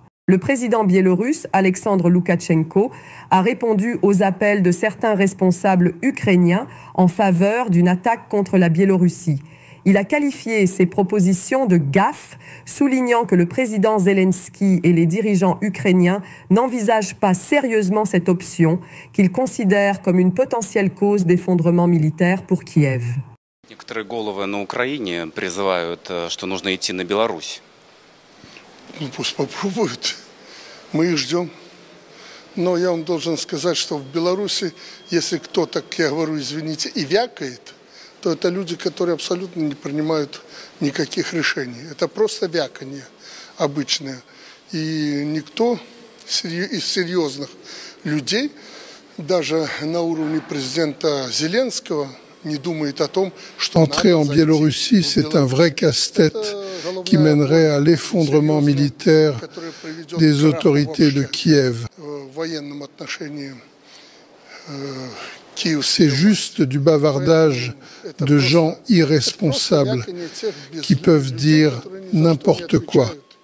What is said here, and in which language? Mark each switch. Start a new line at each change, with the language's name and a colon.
French: Le président biélorusse, Alexandre Loukachenko, a répondu aux appels de certains responsables ukrainiens en faveur d'une attaque contre la Biélorussie. Il a qualifié ces propositions de gaffe, soulignant que le président Zelensky et les dirigeants ukrainiens n'envisagent pas sérieusement cette option, qu'ils considèrent comme une potentielle cause d'effondrement militaire pour Kiev.
Russian: Некоторые головы на Украине призывают, что нужно идти на Беларусь. Ну, пусть попробуют. Мы их ждем. Но я вам должен сказать, что в Беларуси, если кто-то, как я говорю, извините, и вякает, то это люди, которые абсолютно не принимают никаких решений. Это просто вяканье обычное. И никто из серьезных людей, даже на уровне президента Зеленского, не думает о том, что...
French: Entrer en Biélorussie, c'est un vrai casse-tête qui mènerait à l'effondrement militaire des autorités de Kiev. C'est juste du bavardage de gens irresponsables qui peuvent dire n'importe quoi.